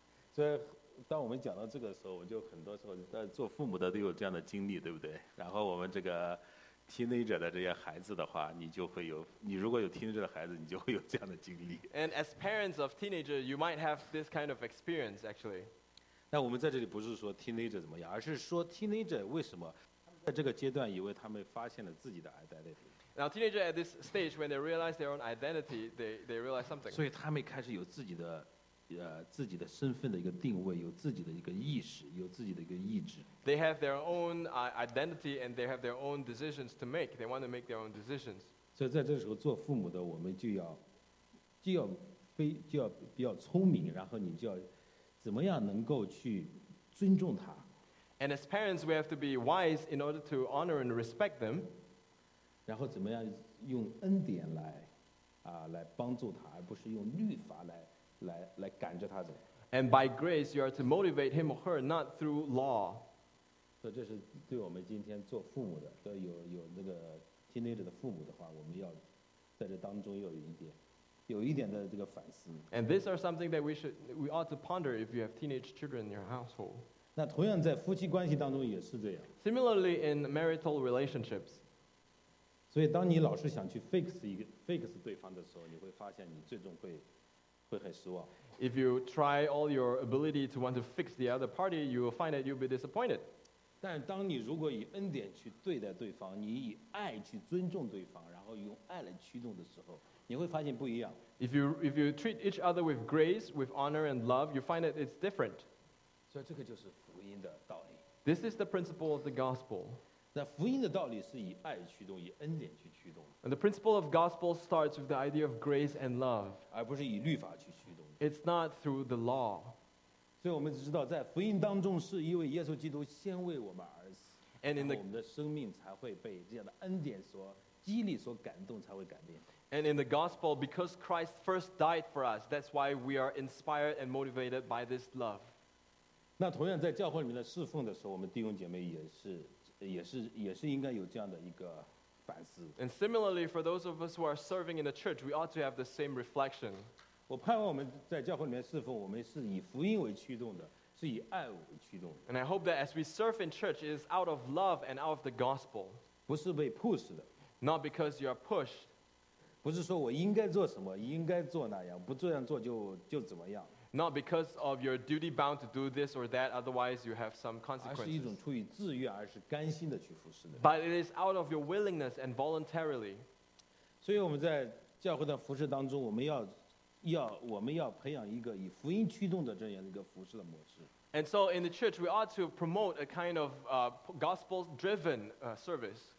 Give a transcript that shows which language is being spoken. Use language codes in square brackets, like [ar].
[zh] 所以，当我们讲到这个时候，我就很多时候，但做父母的都有这样的经历，对不对？然后我们这个。 teenager 的这些孩子的话，你就会有。你如果有 teenager 的孩子，你就会有这样的经历。 [en] And as parents of teenager, you might have this kind of experience, actually. [zh] 但我们在这里不是说 teenager 怎么样，而是说 teenager 为什么在这个阶段以为他们发现了自己的 identity. [en] Now, teenager at this stage, when they realize their own identity, they realize something. [zh] 所以他们开始有自己的身份的一个定位，有自己的一个意识，有自己的一个意志。 [en] They have their own identity and they have their own decisions to make. They want to make their own decisions. [zh] 所以在这时候做父母的，我们就要比较聪明，然后你就要怎么样能够去尊重他。 [en] And as parents, we have to be wise in order to honor and respect them. [zh] 然后怎么样用恩典来帮助他，而不是用律法来赶着他走。 [en] And by grace, you are to motivate him or her, not through law. [zh] 所以这是对我们今天做父母的，所以有那个 teenager 的父母的话，我们要在这当中又有一点的这个反思。 [en] And these are something that we ought to ponder if you have teenage children in your household. [zh] 那同样在夫妻关系当中也是这样。 [en] Similarly in marital relationships. [zh] 所以当你老是想去 fix 对方的时候，你会发现你最终会很失望。 [en] If you try all your ability to want to fix the other party, you will find that you'll be disappointed. [zh] 但当你如果以恩典去对待对方，你以爱去尊重对方，然后用爱来驱动的时候，你会发现不一样。 [en] If you treat each other with grace, with honor and love, you find that it's different. [zh] 所以这个就是福音的道理。 [en] This is the principle of the gospel. [zh] 那福音的道理是以爱驱动，以恩典去驱动。 [en] And the principle of gospel starts with the idea of grace and love. [zh] 而不是以律法去驱动。 [en] It's not through the law. [zh] 所以我们知道，在福音当中，是因为耶稣基督先为我们而死，然后我们的生命才会被这样的恩典所激励、所感动，才会改变。 [en] And in the gospel, because Christ first died for us, that's why we are inspired and motivated by this love. [zh] 那同样在教会里面的侍奉的时候，我们弟兄姐妹也是。也是应该有这样的一个反思。 [en] And similarly, for those of us who are serving in the church, we ought to have the same reflection. [zh] 我盼望我们在教会里面侍奉，我们是以福音为驱动的，是以爱为驱动的。 [en] And I hope that as we serve in church, it is out of love and out of the gospel. [zh] 不是被 push 的。 [en] Not because you are pushed. [zh] 不是说我应该做什么，应该做那样，不这样做就怎么样。 [en] Not because of your duty bound to do this or that, otherwise you have some consequences. [zh] 而是一种出于自愿，而是甘心的去服侍的。 [en] But it is out of your willingness and voluntarily. [zh] 所以我们在教会的服侍当中，我们要培养一个以福音驱动的这样一个服侍的模式。 [en] And so in the church, we ought to promote a kind of gospel-driven service.